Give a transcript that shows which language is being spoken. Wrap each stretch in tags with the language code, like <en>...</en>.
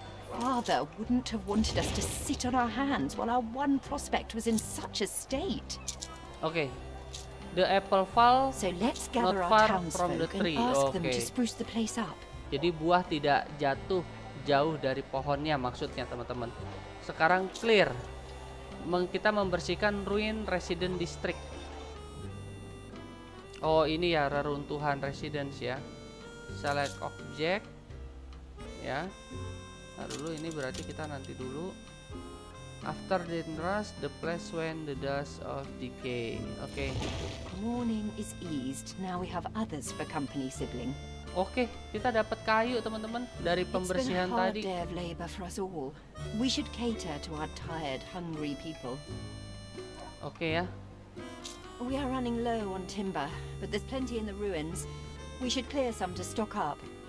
<en>Father wouldn't have wanted us to sit on our hands while our one prospect was in such a state. Okay, the apple fall. So let's gather our townsfolk and ask them to spruce the place up.</en> <id>Jadi buah tidak jatuh jauh dari pohonnya, maksudnya teman-teman. Sekarang clear, kita membersihkan ruin resident district. Oh, ini ya reruntuhan residence ya.</id> <en>Select object,</en> <id>ya. Nah, dulu ini berarti kita nanti dulu.</id> <en>After the rust, the place when the dust of decay. Oke. Okay. Mourning is eased. Now we have others for company, sibling.</en> <id>Oke, kita dapat kayu teman-teman dari pembersihan tadi.</id> <en>It's been a hard day of labor for us all. We should cater to our tired, hungry people. Oke ya. We are running low on timber, but there's plenty in the ruins. We should clear some to stock up.</en>